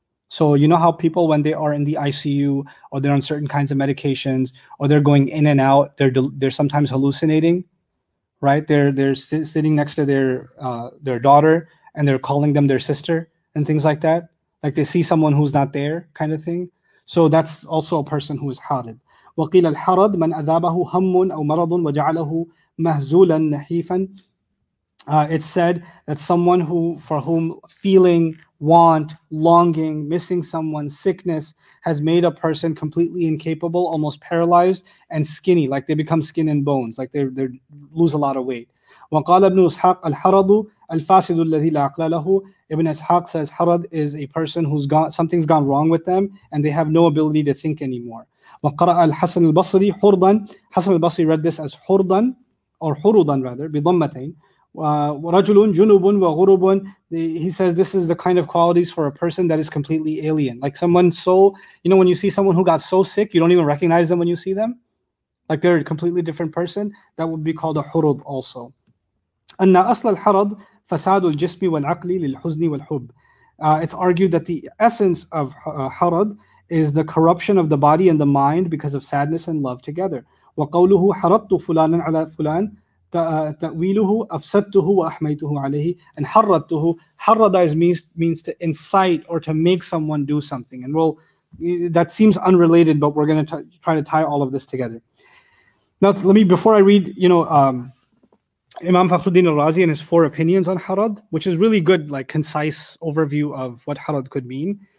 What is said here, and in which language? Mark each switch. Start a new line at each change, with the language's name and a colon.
English: So you know how people, when they are in the ICU or they're on certain kinds of medications or they're going in and out, they're sometimes hallucinating, right? They're sitting next to their daughter and they're calling them their sister and things like that. Like they see someone who's not there, kind of thing. So that's also a person who is harid.
Arabic: وقيل الحرد من أذابه هم أو مرض وجعله مهزولا نحيفا.
English: It's said that someone who, for whom feeling, want, longing, missing someone, sickness has made a person completely incapable, almost paralyzed, and skinny, like they become skin and bones, like they lose a lot of weight.
Arabic: وقال ابن إسحاق الحرد الفاسد الذي لا عقل له.
English: Ibn Ishaq says harad is a person who's gone, something's gone wrong with them, and they have no ability to think anymore.
Arabic: وقرأ الحسن البصري حردا.
English: Hasan al-Basri read this as حردا or حردا rather, بضمتين.
Arabic: ورجل جنوب وغروب.
English: He says this is the kind of qualities for a person that is completely alien, like someone so, you know, when you see someone who got so sick, you don't even recognize them when you see them, like they're a completely different person. That would be called a حرد also.
Arabic: أن أصل الحرد فساد الجسم والعقل للحزن والحب.
English: It's argued that the essence of حرد is the corruption of the body and the mind because of sadness and love together.
Arabic: وقوله حرضت فلانا على فلان تأويله أفسدته وأحميته عليه.
English: And حرضته, حرضize means to incite or to make someone do something. And well, that seems unrelated, but we're going to try to tie all of this together. Now, let me, before I read, you know, Imam Fakhruddin al-Razi and his four opinions on harad, which is really good, like concise overview of what harad could mean.